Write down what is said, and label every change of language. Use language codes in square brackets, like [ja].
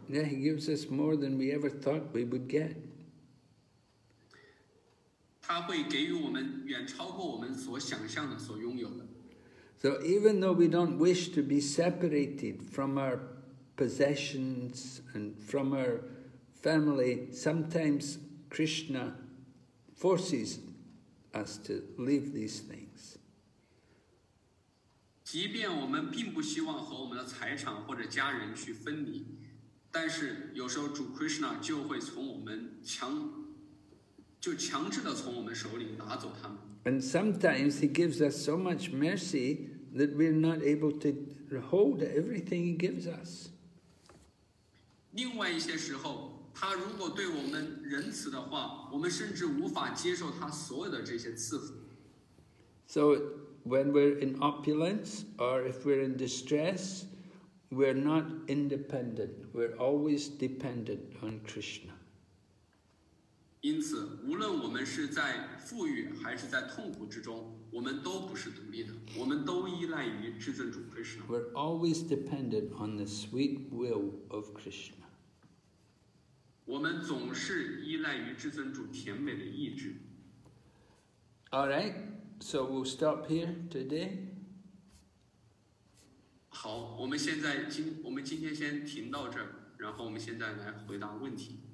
[en] Yeah, he gives us more than we ever thought we would get. [zh] 他会给予我们远超过我们所想象的，所拥有的。 [en] So even though we don't wish to be separated from our possessions and from our family, sometimes Krishna forces us to leave these things. [zh] 即便我们并不希望和我们的财产或者家人去分离，但是有时候主 Krishna 就会从我们强制地从我们手里拿走他们。 [en] And sometimes he gives us so much mercy that we're not able to hold everything he gives us. [zh] 另外一些时候，他如果对我们仁慈的话，我们甚至无法接受他所有的这些赐福。 [en] So when we're in opulence or if we're in distress, we're not independent. We're always dependent on Krishna. [zh] 因此，无论我们是在富裕还是在痛苦之中，我们都不是独立的，我们都依赖于至尊主 Krishna. [en] We're always dependent on the sweet will of Krishna. [zh] 我们总是依赖于至尊主甜美的意志。 [en] All right, so we'll stop here today. [zh] 好，我们现在我们今天先停到这儿，然后我们现在来回答问题。